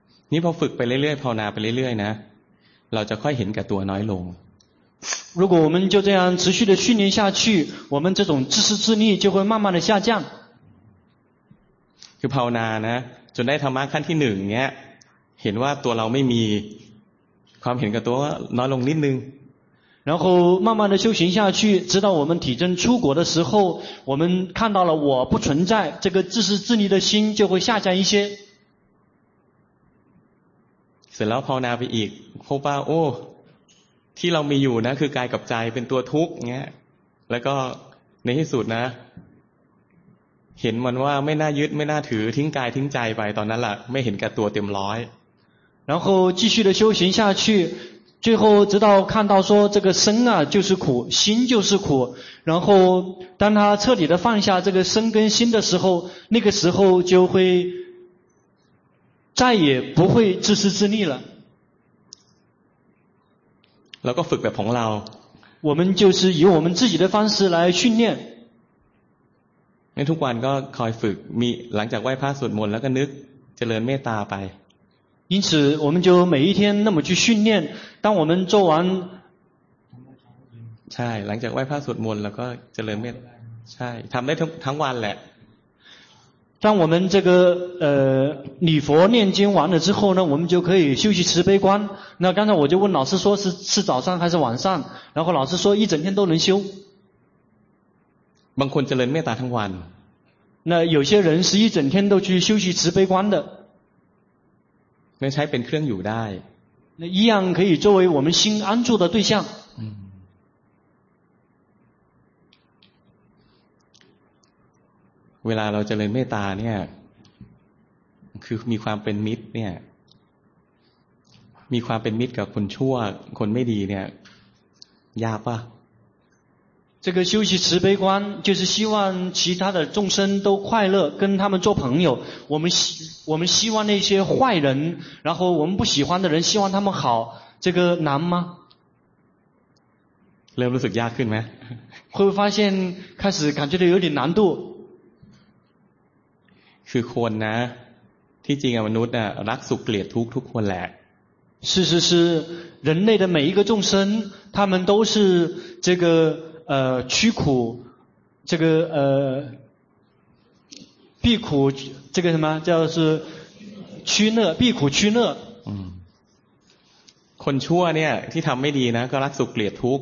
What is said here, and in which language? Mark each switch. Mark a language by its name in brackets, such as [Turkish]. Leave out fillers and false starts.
[Thai] 你พอฝึกไปเรื่อยๆภาวนาไปเรื่อยๆนะเราจะค่อยเห็นแก่ตัวน้อยลง [Chinese] 如果我们就这样持续的训练下去我们这种自私自利就会慢慢的下降 [Thai] คือภาวนานะจนได้ธรรมะขั้นที่หนึ่งเนี้ยเห็นว่าตัวเราไม่มีความเห็นกับตัวน้อยลงนิดนึง [Chinese] 然后慢慢的修行下去直到我们体证出果的时候我们看到了我不存在这个自私自利的心就会下降一些 [Thai] เสร็จแล้วภาวนาไปอีกพบว่าโอ้ที่เรามีอยู่นะคือกายกับใจเป็นตัวทุกข์เนี้ยแล้วก็ในที่สุดนะเห็นมันว่าไม่น่ายึดไม่น่าถือทิ้งกายทิ้งใจไปตอนนั้นล่ะไม่เห็นแก่ตัวเต็มร้อย [Chinese] 然后继续的修行下去最后直到看到说这个身啊就是苦心就是苦然后当他彻底的放下这个身跟心的时候那个时候就会再也不会自私自利了 [Thai] แล้วก็ฝึกแบบของเรา [Chinese] 我们就是以我们自己的方式来训练 [Thai] ในทุกวันก็คอยฝึกมีหลังจากไหว้พระสวดมนต์แล้วก็นึกเจริญเมตตาไป [Chinese] 因此我们就每一天那么去训练当我们做完 [Thai] ใช่หลังจากไหว้พระสวดมนต์แล้วก็เจริญเมตตาใช่ทําได้ทั้งวันแหละ [Chinese] 当我们这个礼佛念经完了之后呢我们就可以休息慈悲观那刚才我就问老师说是早上还是晚上然后老师说一整天都能修 [Thai] บางคนเจริญเมตตาทั้งวัน [Chinese] 那有些人是一整天都去休息慈悲观的 [Thai] ไม่ใช้เป็นเครื่องอยู่ได้ [Chinese] 那一样可以作为我们心安住的对象 [Thai] เวลาเราเจริญเมตตาเนี่ยคือมีความเป็นมิตรเนี่ยมีความเป็นมิตรกับคนชั่วคนไม่ดีเนี่ยยากป่ะ [Chinese] 这个修习慈悲观就是希望其他的众生都快乐跟他们做朋友我们希望那些坏人然后我们不喜欢的人希望他们好这个难吗 [Thai] เริ่มรู้สึกยากขึ้นไหม [Chinese] 会不会发现开始感觉到有点难度 [Thai] คือคนนะที่จริงมนุษย์น่ะรักสุขเกลียดทุกข์ทุกคนแหละ [Chinese] 是是是人类的每一个众生他们都是这个趋苦这个避苦这个什么叫是趋乐避苦趋乐 [Thai] คนชั่วเนี่ยที่ทําไม่ดีนะก็รักสุขเกลียดทุกข